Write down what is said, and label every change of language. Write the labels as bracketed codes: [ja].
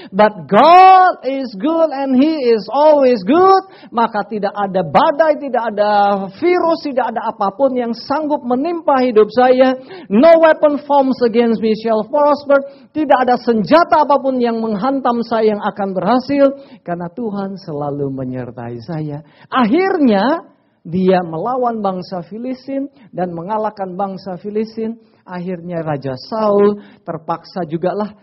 [en] But God is good and he is always good. [id] Maka tidak ada badai, tidak ada virus, tidak ada apapun yang sanggup menimpa hidup saya. [en] No weapon forms against me shall prosper. [id] Tidak ada senjata apapun yang menghantam saya yang akan berhasil. Karena Tuhan selalu menyertai saya. Akhirnya dia melawan bangsa Filistin dan mengalahkan bangsa Filistin. Akhirnya Raja Saul terpaksa juga lah.